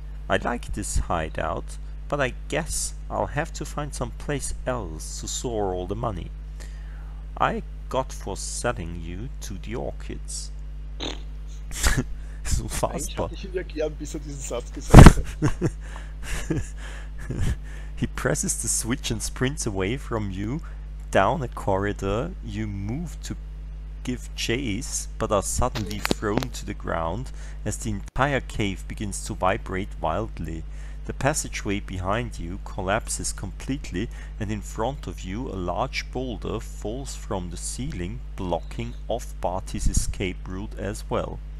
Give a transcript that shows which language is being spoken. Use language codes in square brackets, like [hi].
[en] I like this hideout, but I guess I'll have to find some place else to store all the money I got for selling you to the orchids." [de] So unfassbar. Ich hab dich gern, bis er diesen Satz gesagt hat. [en] He presses the switch and sprints away from you down a corridor. You move to give chase, but are suddenly thrown to the ground as the entire cave begins to vibrate wildly. The passageway behind you collapses completely, and in front of you a large boulder falls from the ceiling, blocking off Barty's escape route as well.